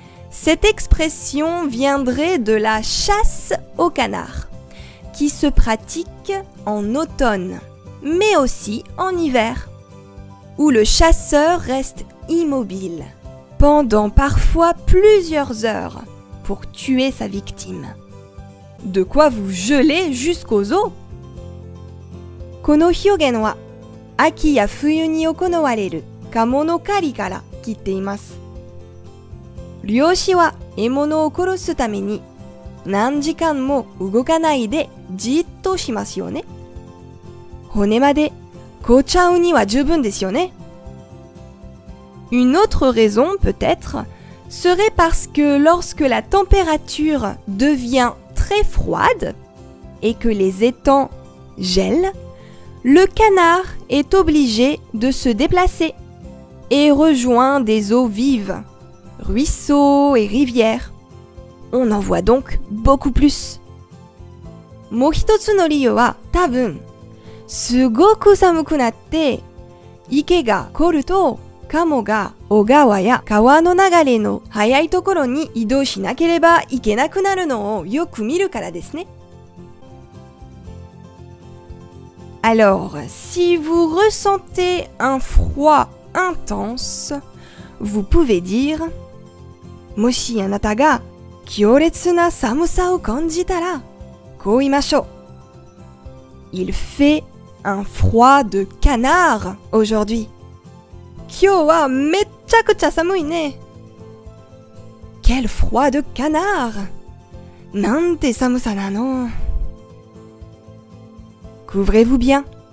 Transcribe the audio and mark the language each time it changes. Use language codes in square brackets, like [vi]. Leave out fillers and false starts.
[fr] Cette expression viendrait de la chasse au canard, qui se pratique en automne, mais aussi en hiver, où le chasseur reste immobile pendant parfois plusieurs heures pour tuer sa victime. De quoi vous geler jusqu'aux os ? [ja] この表現は、秋や冬に行われるカモの狩りから来ています。猟師は獲物を殺すために何時間も動かないでじっとしますよね。骨まで凍っちゃうには十分ですよね。 [fr] Une autre raison peut-être serait parce que lorsque la température devient très froide et que les étangs gèlent, le canard est obligé de se déplacer et rejoint des eaux vives. Ruisseaux et rivières. On en voit donc beaucoup plus. [ja] もう一つの理由は多分、すごく寒くなって、池が凍ると、カモが小川や川の流れの速いところに移動しなければいけなくなるのをよく見るからですね。 [fr] Alors, si vous ressentez un froid intense, vous pouvez dire... [ja] もしあなたが強烈な寒さを感じたら、こう言いましょう。 [fr] Il fait un froid de canard aujourd'hui. [ja] Kyo wa mechcha kucha samui ne. [fr] Quel froid de canard! [ja] Nante samusa nano. [fr] Couvrez-vous bien.